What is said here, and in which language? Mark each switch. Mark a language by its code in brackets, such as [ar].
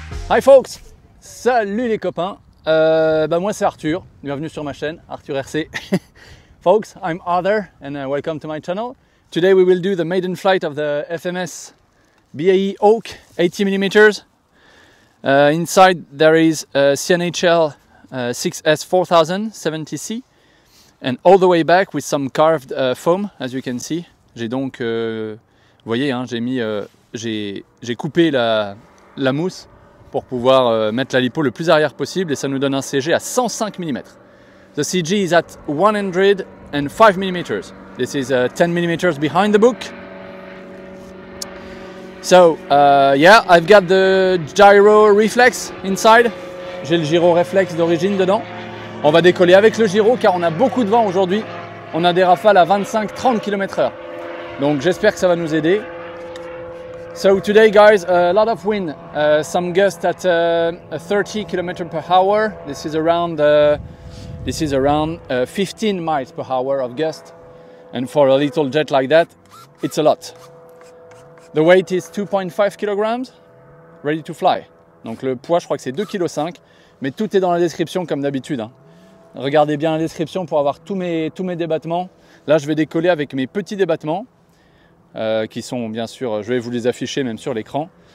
[en] Hi folks, [fr] salut les copains, moi c'est Arthur, bienvenue sur ma chaîne, Arthur RC. [en] Folks, I'm Arthur and welcome to my channel. Today we will do the maiden flight of the FMS BAE Hawk 80mm. Inside there is a CNHL 6S 4000 70C and all the way back with some carved foam, as you can see. [fr] J'ai donc, vous voyez, hein, j'ai coupé la mousse pour pouvoir mettre la lipo le plus arrière possible et ça nous donne un CG à 105 mm. [en] The CG is at 105 mm. This is 10 mm behind the book. So, I've got the gyro reflex inside. [fr] J'ai le gyro reflex d'origine dedans. On va décoller avec le gyro car on a beaucoup de vent aujourd'hui. On a des rafales à 25-30 km/h. Donc j'espère que ça va nous aider. [en] So today, guys, a lot of wind, some gusts at 30 km per hour. This is around 15 miles per hour of gust. And for a little jet like that, it's a lot. The weight is 2.5 kg, ready to fly. [fr] Donc le poids, je crois que c'est 2,5 kg. Mais tout est dans la description, comme d'habitude. Hein. Regardez bien la description pour avoir tous mes débattements. Là, je vais décoller avec mes petits débattements. Qui sont bien sûr, je vais vous les afficher même sur l'écran.